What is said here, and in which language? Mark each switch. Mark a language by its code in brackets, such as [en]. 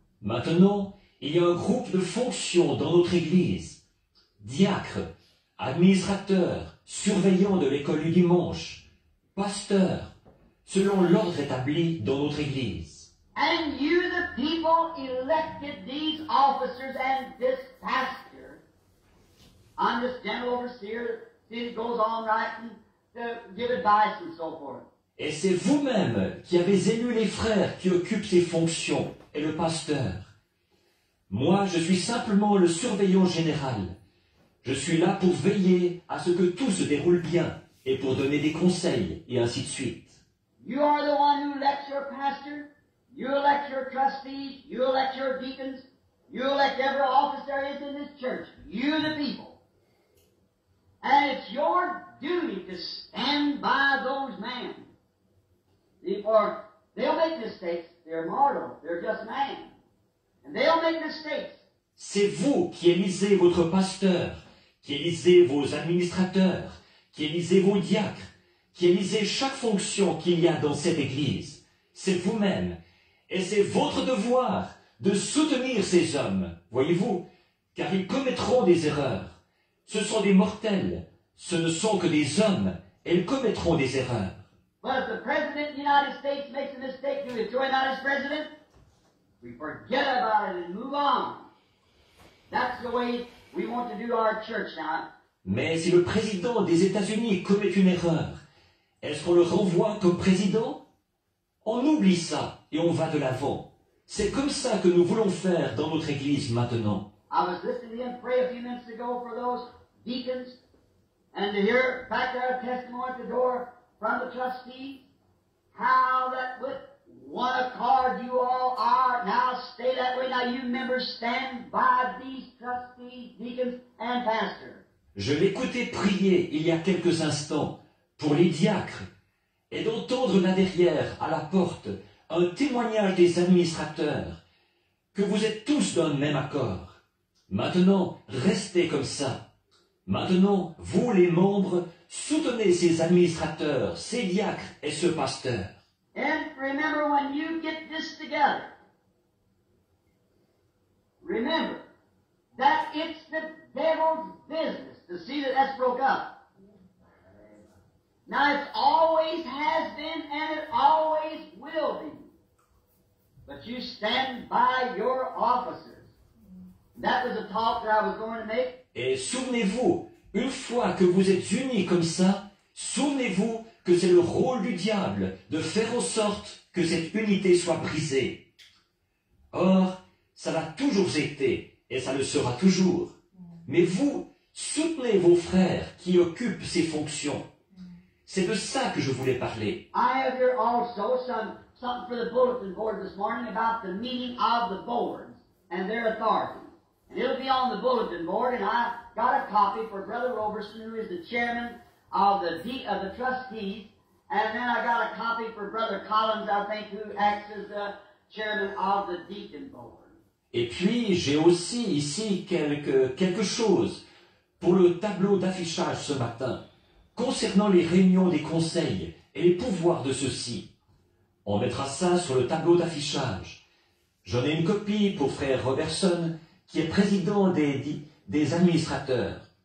[fr] Maintenant, il y a un groupe de fonctions dans notre église. Diacres, administrateurs, surveillants de l'école du dimanche, pasteurs, selon l'ordre établi dans notre église. [en] And you, the people, elected these officers and this pastor. I'm this general overseer that goes on writing to give advice and so forth. [fr] Et c'est vous-même qui avez élu les frères qui occupent ces fonctions et le pasteur. Moi, je suis simplement le surveillant général. Je suis là pour veiller à ce que tout se déroule bien et pour donner des conseils et ainsi de suite. [en] You are the one who elects your pastor. You elect your trustees. You elect your deacons. You elect every officer there is in this church. You the people. And it's your duty to stand by those men. Before, they'll make mistakes. They're mortal. They're just man. And they'll make mistakes. [fr] C'est vous qui élisez votre pasteur, qui élisez vos administrateurs, qui élisez vos diacres, qui élisez chaque fonction qu'il y a dans cette église. C'est vous-même. Et c'est votre devoir de soutenir ces hommes, voyez-vous, car ils commettront des erreurs. Ce sont des mortels. Ce ne sont que des hommes. Ils commettront des erreurs. [en] But if the President of the United States makes a mistake, do we throw him out as President? We forget about it and move on. That's the way we want to do our church now. [fr] Mais si le président des États-Unis commet une erreur, est-ce qu'on le renvoie comme président? On oublie ça et on va de l'avant. C'est comme ça que nous voulons faire dans notre église maintenant. [en] I was listening to him pray a few minutes ago for those deacons and to hear back their testimony at the door. From the trustees, how that with one accord you all are you members stand by these trustees, deacons and pastors. [fr] Je l'écoutais prier il y a quelques instants pour les diacres et d'entendre là derrière, à la porte, un témoignage des administrateurs que vous êtes tous d'un même accord. Maintenant, restez comme ça. Maintenant, vous les membres, soutenez ces administrateurs, ces diacres et ce pasteur. [en] And remember when you get this together. Remember that it's the devil's business to see that that's broke up. Now it always has been and it always will be. But you stand by your officers. That was a talk that I was going to make. [fr] Et souvenez-vous, une fois que vous êtes unis comme ça, souvenez-vous que c'est le rôle du diable de faire en sorte que cette unité soit brisée. Or, ça l'a toujours été et ça le sera toujours. Mais vous, soutenez vos frères qui occupent ces fonctions. C'est de ça que je voulais parler. [en] I have here also something for the bulletin board this morning about the meaning of the boards and their authority. And it'll be on the bulletin board and I got a copy for Brother Roberson who is the chairman of the trustees and then I got a copy for Brother Collins, I think, who acts as the chairman of the deacon board. [fr] Et puis j'ai aussi ici quelque chose pour le tableau d'affichage ce matin concernant les réunions des conseils et les pouvoirs de ceux-ci. On mettra ça sur le tableau d'affichage. J'en ai une copie pour Frère Robertson qui est président des administrateurs.